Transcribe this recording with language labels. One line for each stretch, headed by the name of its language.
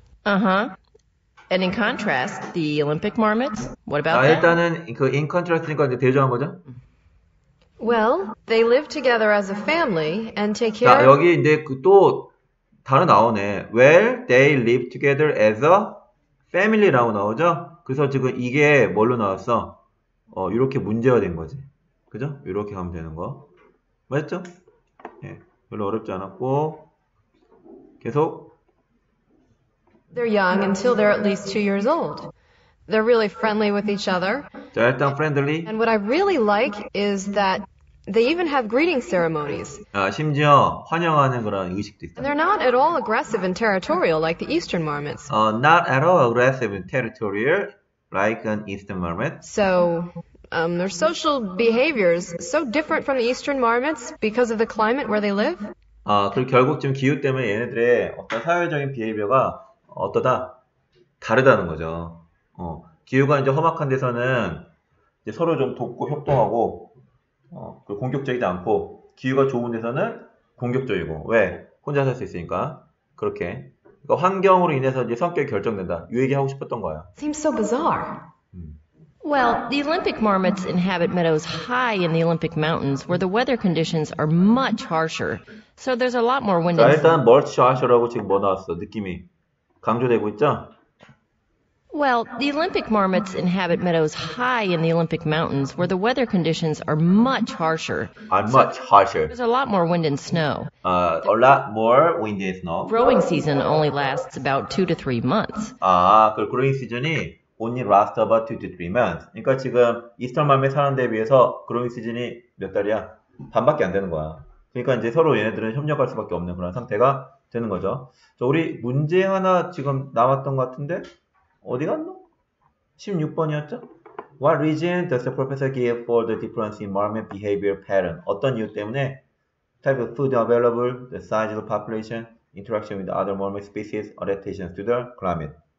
English: And in contrast, the Olympic marmots, what about
Korean: 아,
English: them?
Korean: 일단은 그
English: in contrast
Korean: 니까 이제 대조한 거죠?
English: Well, they live together as a family and take
Korean: 자,
English: care of.
Korean: 여기 이제 그또 단어 나오네.
English: Well, they live together as a family라고 나오죠?
Korean: 그래서 지금 이게 뭘로 나왔어? 이렇게 문제가 된 거지. 그죠? 이렇게 하면 되는 거. 맞죠? 예. 별로 어렵지 않았고. 계속.
English: They're young until they're at least 2 years old. They're really friendly with each other.
Korean: 자, 일단 friendly.
English: And what I really like is that they even have greeting ceremonies.
Korean: 아, 심지어 환영하는 그런 의식도 있다.
English: And they're not at all aggressive and territorial like the eastern marmots. Not at all aggressive and territorial like an eastern marmot. So, their social behaviors so different from the eastern marmots because of the climate where they live.
Korean: 아, 그리고 결국 지금 기후 때문에 얘네들의 어떤 사회적인 비헤이비어가 어떠다? 다르다는 거죠. 기후가 이제 험악한 데서는 이제 서로 좀 돕고 협동하고 공격적이지 않고, 기후가 좋은 데서는 공격적이고. 왜? 혼자 살 수 있으니까. 그렇게. 그러니까 환경으로 인해서 이제 성격이 결정된다. 이 얘기 하고 싶었던 거야.
English: Seems so bizarre. Well, the Olympic marmots inhabit meadows high in the Olympic mountains where the weather conditions are much harsher. So there's a lot more wind.
Korean: 자, 일단
English: much harsher
Korean: 라고 지금 뭐 나왔어? 느낌이 강조되고 있죠?
English: Well, the Olympic marmots inhabit meadows high in the Olympic mountains where the weather conditions are much harsher. Are much harsher. There's a lot more wind and snow. A lot more wind and snow. Growing season only lasts about 2 to 3 months. 아, 그 growing season이 only last about 2 to 3 months.
Korean: 그러니까 지금 이스턴 맘에 사는 데 비해서 growing season이 몇 달이야? 반밖에 안 되는 거야. 그러니까 이제 서로 얘네들은 협력할 수밖에 없는 그런 상태가 되는 거죠. 자, 우리 문제 하나 지금 남았던 것 같은데? 어디 갔노? 16번이었죠?
English: What reason does the professor give for the difference in marmot behavior pattern?
Korean: 어떤 이유 때문에?
English: Type of food available, the size of the population, interaction with other marmot species, adaptations to the climate.